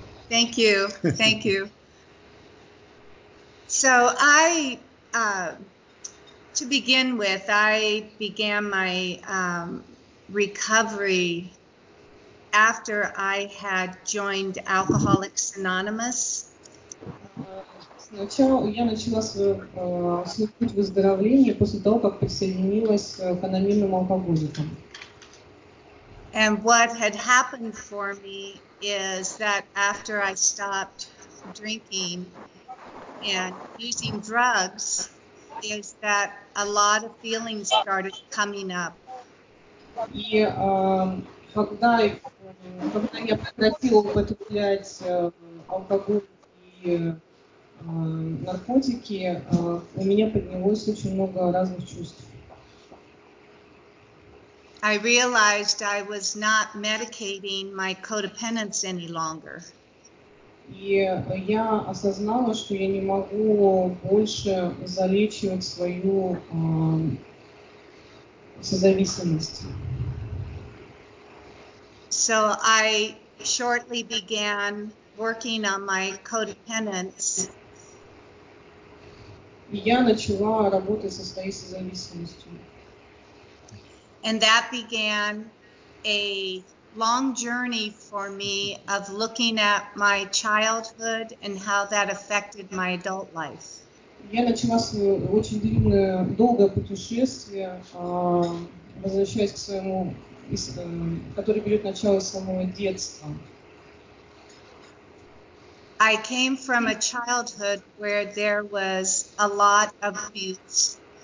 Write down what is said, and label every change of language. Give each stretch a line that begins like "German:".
English: Thank you, thank you. So I, to begin with, I began my recovery after I had joined Alcoholics Anonymous.
Russian: Я начала свой путь выздоровления после того, как присоединилась к анонимным алкоголикам.
English: And what had happened for me is that after I stopped drinking and using drugs, is that a lot of feelings started coming up.
Russian: И когда я прекратила употреблять алкоголь и наркотики, у меня поднялось очень много разных чувств.
English: I realized I was not medicating my codependence any longer.
Russian: И я осознала, что я не могу больше залечивать свою созависимость.
English: So I shortly began working on my codependence.
Russian: Я начала работать со своей созависимостью.
English: And that began a long journey for me of looking at my childhood and how that affected my adult life.
Russian: Я начала свое очень долгое путешествие, возвращаясь к своему, который берет начало с самого детства.
English: I came from a childhood where there was a lot of abuse.